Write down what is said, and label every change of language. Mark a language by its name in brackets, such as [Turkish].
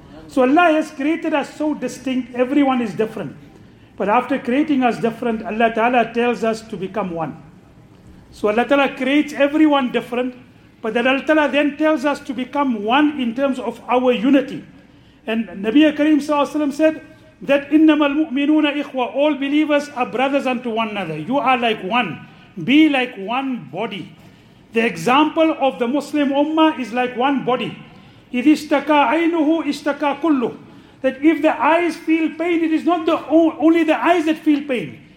[English] So Allah has created us so distinct, everyone is different. But after creating us different, Allah Ta'ala tells us to become one. So Allah Ta'ala creates everyone different, but then Allah Ta'ala then tells us to become one in terms of our unity. And Nabi Kareem S.A.W. said that إِنَّمَا الْمُؤْمِنُونَ إِخْوَى. All believers are brothers unto one another. You are like one. Be like one body. The example of the Muslim Ummah is like one body. [Arabic] إِذِ اشْتَكَى عَيْنُهُ اشْتَكَى كُلُّهُ. [English] That if the eyes feel pain, it is not the only the eyes that feel pain.